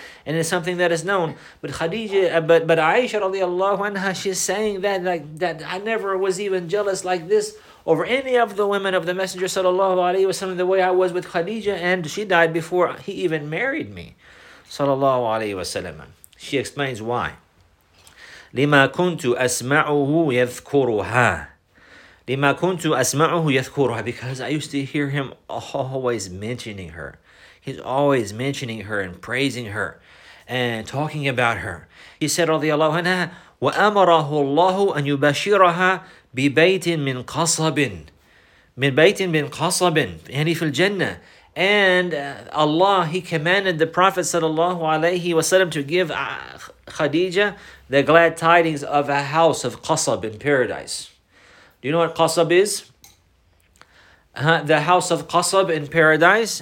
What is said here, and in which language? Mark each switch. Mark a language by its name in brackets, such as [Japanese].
[English] And it's something that is known. But Khadija, but Aisha radiallahu anha, she's saying that like that I never was even jealous like this over any of the women of the Messenger sallallahu alayhi wa sallam the way I was with Khadija. And she died before he even married me, sallallahu alayhi wa sallam. She explains why. [Arabic] لِمَا كُنْتُ أَسْمَعُهُ يَذْكُرُهَا لِمَا كُنْتُ أَسْمَعُهُ يَذْكُرُهَا. [English] Because I used to hear him always mentioning her. He's always mentioning her and praising her and talking about her. He said, [Arabic] radiallahu anha, وَأَمَرَهُ اللَّهُ أَنْ يُبَشِّرَهَا بِبَيْتٍ مِّنْ قَصَبٍ مِّنْ بَيْتٍ مِّنْ قَصَبٍ يعني فِي الْجَنَّةِ. [English] And Allah, he commanded the Prophet sallallahu alayhi wa sallam to give Khadija the glad tidings of a house of qasab in paradise. Do you know what qasab is? The house of qasab in paradise.